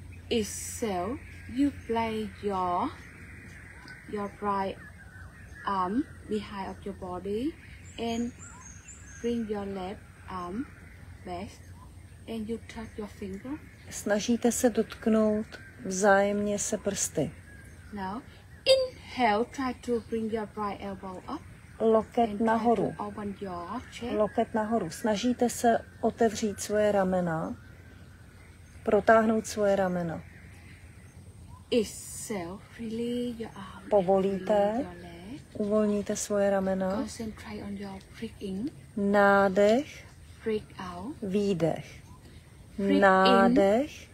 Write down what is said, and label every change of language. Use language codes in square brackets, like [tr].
[en] Exhale, you place your right arm behind of your body and bring your left arm back and you touch your finger. [cs] Snažíte se dotknout vzájemně se prsty. [en] Now, inhale, try to bring your right elbow up. [cs] Loket nahoru. [en] Open your chest. [cs] Loket nahoru. Snažíte se otevřít svoje ramena. Protáhnout svoje ramena. [en] Exhale, release your arms. [cs] Povolíte. Uvolníte svoje ramena. [en] Concentrate on your breathing. [cs] Nádech. [en] Breathe out. [cs] Výdech. [en] Breathe [cs] nádech.